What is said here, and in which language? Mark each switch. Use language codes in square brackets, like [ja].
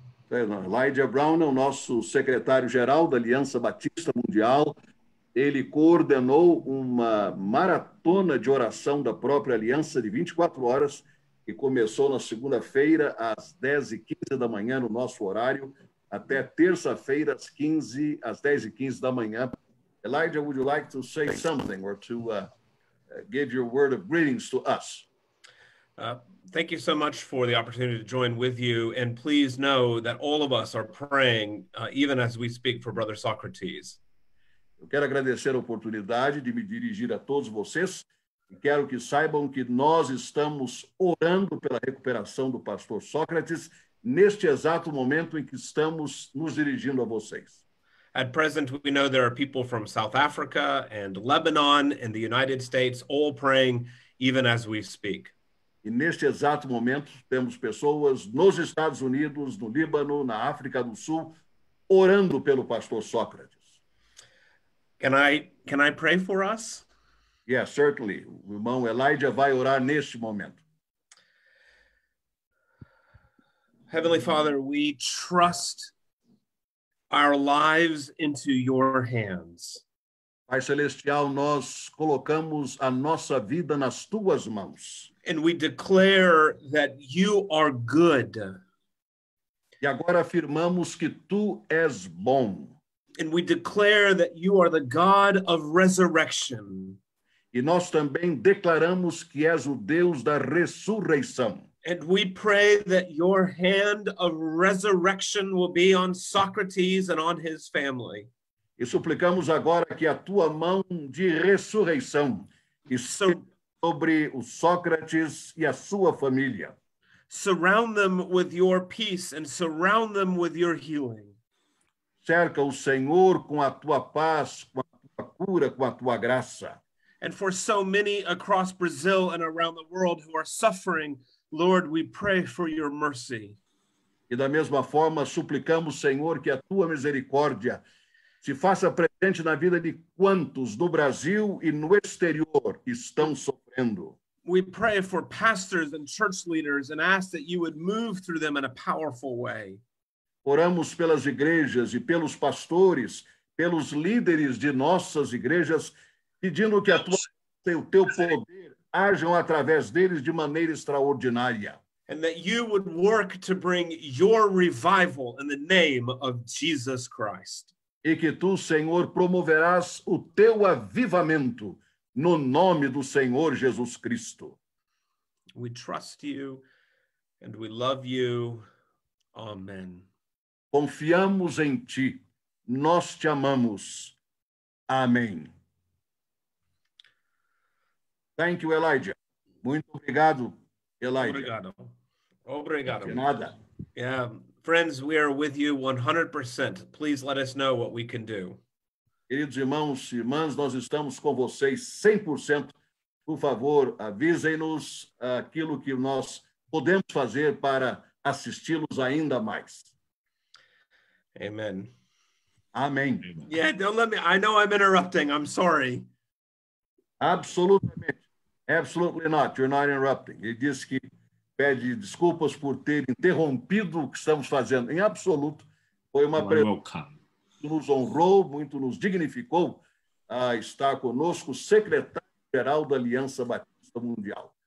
[pt] Elijah Brown é o nosso secretário-geral da Aliança Batista Mundial. Ele coordenou uma maratona de oração da própria Aliança de 24 horas, que começou na segunda-feira, às 10h15 da manhã, no nosso horário, até terça-feira, às 15, às 10h15 da manhã. [en] Elijah, would you like to say something or to give your word of greetings to us? Thank you so much for the opportunity to join with you. And please know that all of us are praying, even as we speak for Brother Socrates. [pt] Eu quero agradecer a oportunidade de me dirigir a todos vocês. E quero que saibam que nós estamos orando pela recuperação do pastor Sócrates neste exato momento em que estamos nos dirigindo a vocês. [en] At present, we know there are people from South Africa and Lebanon and the United States all praying, even as we speak. [pt] E neste exato momento, temos pessoas nos Estados Unidos, no Líbano, na África do Sul, orando pelo pastor Sócrates. [en] Can I pray for us? Yes, certainly. [pt] O irmão Elijah vai orar neste momento. [en] Heavenly Father, we trust our lives into your hands. [pt] Pai Celestial, nós colocamos a nossa vida nas tuas mãos. [en] And we declare that you are good. [pt] E agora afirmamos que tu és bom. [en] And we declare that you are the God of resurrection. [pt] E nós também declaramos que és o Deus da ressurreição. [en] And we pray that your hand of resurrection will be on Socrates and on his family. [pt] E suplicamos agora que a tua mão de ressurreição sobre o Sócrates e a sua família. [en] Surround them with your peace and surround them with your healing. [pt] Cerca o Senhor com a tua paz, com a tua cura, com a tua graça. [en] And for so many across Brazil and around the world who are suffering, Lord, we pray for your mercy. [pt] E da mesma forma, suplicamos, Senhor, que a tua misericórdia se faça presente na vida de quantos no Brasil e no exterior estão sofrendo. [en] We pray for pastors and church leaders and ask that you would move through them in a powerful way. [pt] Oramos pelas igrejas e pelos pastores, pelos líderes de nossas igrejas, pedindo que a tua graça e o teu poder ajam através deles de maneira extraordinária. [en] And that you would work to bring your revival in the name of Jesus Christ. [pt] E que tu, Senhor, promoverás o teu avivamento no nome do Senhor Jesus Cristo. [en] We trust you and we love you. Amen. [pt] Confiamos em ti. Nós te amamos. Amém. [en] Thank you, Elijah. [pt] Muito obrigado, Elijah. Obrigado. Obrigado. De nada. [en] Yeah, friends, we are with you 100%. Please let us know what we can do. [pt] Queridos irmãos e irmãs, nós estamos com vocês 100%. Por favor, avisem-nos aquilo que nós podemos fazer para assisti-los ainda mais. [en] Amen. [pt] Amém. [en] Yeah, don't let me, I know I'm interrupting, I'm sorry. [pt] Absolutamente. [en] Absolutely not, you're not interrupting. [pt] Ele disse que pede desculpas por ter interrompido o que estamos fazendo. Em absoluto, foi uma presença. Nos honrou, muito nos dignificou a estar conosco, secretário-geral da Aliança Batista Mundial.